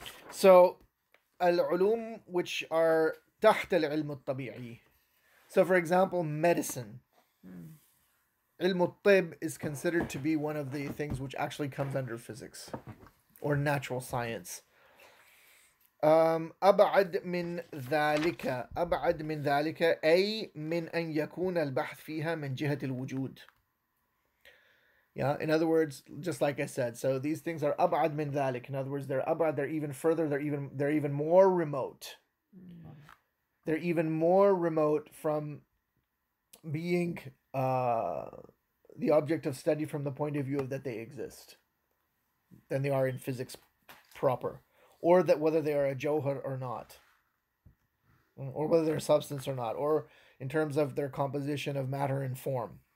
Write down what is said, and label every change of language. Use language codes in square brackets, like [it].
[en] So al-ulum which are taht al-ilm al-tabi'i. So for example, medicine. Ilm al-tib is considered to be one of the things which actually comes under physics or natural science. [ar] أبعد من ذلك. أبعد من ذلك أي من أن يكون البحث فيها من جهة الوجود. [en] Yeah, in other words, just like I said, so these things are [ar] أبعد من ذلك. [en] In other words, they're أبعد, they're even further, they're even more remote. They're even more remote from being the object of study from the point of view of that they exist than they are in physics proper, or that whether they are a johar or not, or whether they're a substance or not, or in terms of their composition of matter and form.